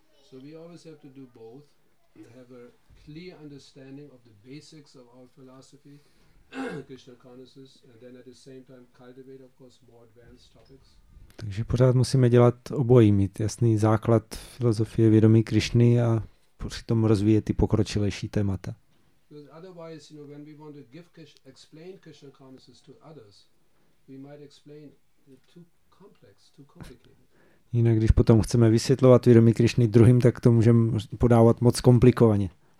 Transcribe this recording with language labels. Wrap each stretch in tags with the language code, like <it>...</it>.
<en>So we always have to do both, to have a clear understanding of the basics of our philosophy, Krishna consciousness, and then at the same time cultivate, of course, more advanced topics.</en> <cs>Takže pořád musíme dělat obojí, mít jasný základ filozofie vědomí Krišny a přitom rozvíjet ty pokročilejší témata.</cs> <en>Because otherwise, you know, when we want to give explain Krishna consciousness to others, we might explain it too complex, too complicated.</en> <cs>Jinak, když potom chceme vysvětlovat vědomí Krišny druhým, tak to můžeme podávat moc komplikovaně.</cs>